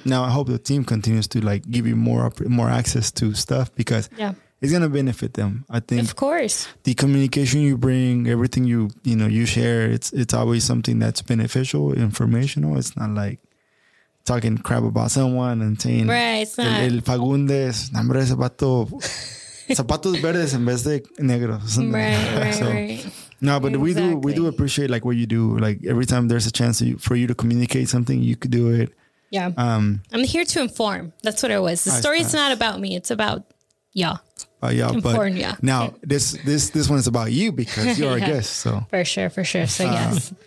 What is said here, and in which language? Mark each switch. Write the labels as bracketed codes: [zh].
[en] Now I hope the team continues to like give you more access to stuff because it's going to benefit them. I think of course the communication you bring, everything you share, it's always something that's beneficial, informational. It's not like talking crap about someone and saying, right, it's not. [es] El Fagundes, nombre de zapato, zapatos verdes en vez de negros. [en] We do appreciate like what you do. Like every time there's a chance for you to communicate something, you could do it. Yeah. I'm here to inform. That's what it was. The story is not about me. It's about y'all. This one is about you because you're our guest. So for sure. So yes.